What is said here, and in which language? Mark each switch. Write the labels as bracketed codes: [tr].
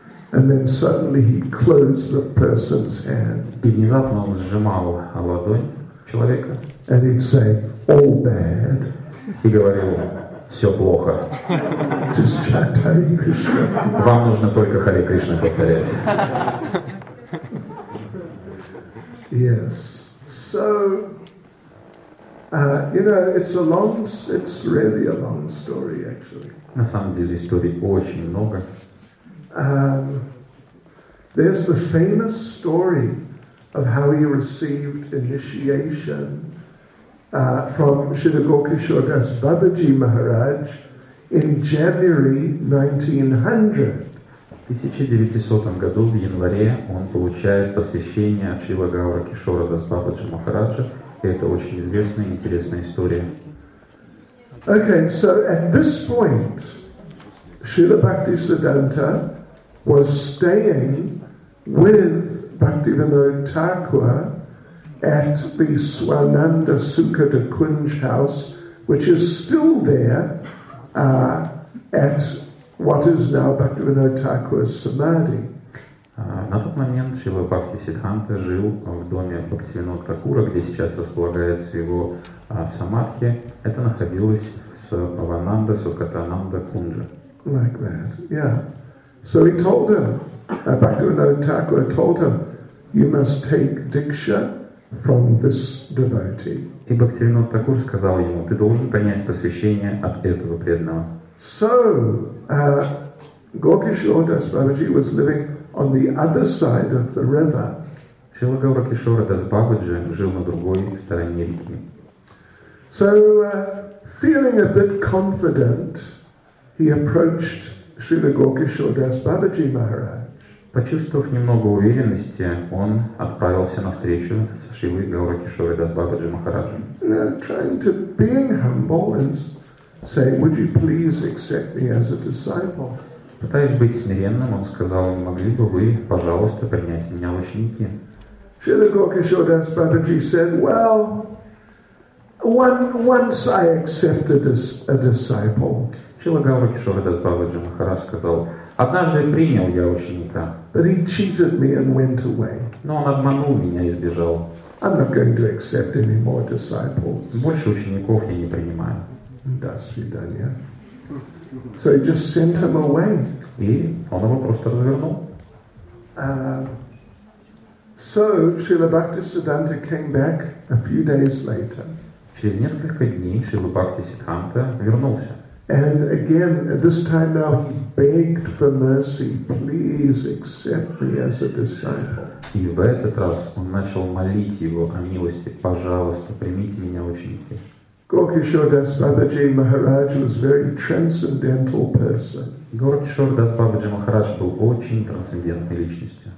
[en] And then suddenly he closed the person's hand. [ru] И внезапно он сжимал ладонь человека. [en] And he'd say, "All bad." [ru] И говорил, все плохо. [en] Just chant Hare Krishna. [ru] Вам нужно только Харе Кришна повторять. [en] Yes. So, you know, it's really a long story, actually. [ru] На самом деле историй очень много. [en] There's the famous story of how he received initiation from Srila Gaurakishore Das Babaji Maharaj in January 1900. [ru] В 1900 году, в январе, он получает посвящение от Шрила Гаурикишора Дас Бабаджи Махараджа. Это очень известная и интересная история. [en] Okay, so at this point, Srila Bhaktisiddhanta was staying with Bhaktivinoda Thakur at the Swananda Sukhada Kunj house, which is still there at what is now Bhaktivinoda Thakur's Samadhi. [ru] На тот момент Шрила Бхактисиддханта жил в доме Бхактивинода Такура, где сейчас располагается его самадхи. Это находилось с Авананда Сукатананда Кунджа. [en] Like that, yeah. So he told him, Bhaktivinoda Thakura told him, you must take diksha from this devotee. [ru] И Бхактивинода Такура сказал ему, ты должен принять посвящение от этого преданного. [en] So, Gaurakishore Das Babaji was living on the other side of the river. [ru] Шрила Гаурикишора Дас Бабаджи жил на другой стороне реки. [en] So, feeling a bit confident, he approached Шрила Гаурикишора Дас Бабаджи Махарадж. [ru] Почувствовав немного уверенности, он отправился навстречу с Шрилой Гаурикишорой Дас Бабаджи Махараджи. [en] Trying to be humble and say, would you please accept me as a disciple? [ru] Пытаясь быть смиренным, он сказал, могли бы вы, пожалуйста, принять меня в ученики. [en] Srila Gaurakishore Das Babaji said, well, once I accepted a disciple. [ru] Srila Gaurakishore Das Babaji Maharaj сказал, однажды принял я ученика. [en] But he cheated me and went away. [ru] Но он обманул меня и сбежал. [en] I'm not going to accept any more disciples. [ru] Больше учеников я не принимаю. До свидания. [en] So he just sent him away. [ru] И он его просто развернул. [en] So Srila Bhaktisiddhanta came back a few days later. [ru] Через несколько дней Srila Bhaktisiddhanta вернулся. [en] And again, this time now he begged for mercy. Please accept me as a disciple. [ru] И в этот раз он начал молить его о милости. Пожалуйста, примите меня в ученики. [en] Gaurakishore Das Babaji Maharaj was a very transcendental person. [ru] Gaurakishore Das Babaji Maharaj был очень трансцендентной личностью.